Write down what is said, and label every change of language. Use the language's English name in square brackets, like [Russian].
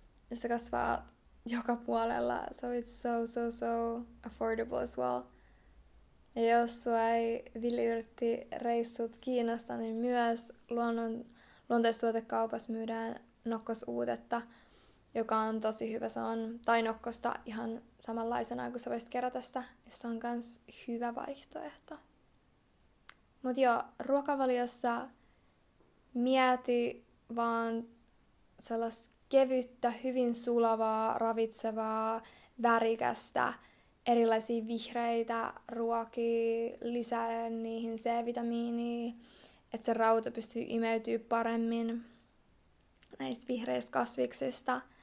[Finnish] Ja se kasvaa joka puolella. [English] So it's so affordable as well. [Finnish] Ja jos sua ei villiyrttireissut kiinnosta, niin myös luonteistuotekaupassa myydään nokkosuutetta, joka on tosi hyvä. Se on tai nokkosta ihan samanlaisena, kun sä voisit kerätä sitä. Se on myös hyvä vaihtoehto. Mut joo, ruokavaliossa mieti vaan sellaista kevyttä, hyvin sulavaa, ravitsevaa, värikästä, erilaisia vihreitä ruokia, lisää niihin C-vitamiinia, että se rauta pystyy imeytymään paremmin näistä vihreistä kasviksista.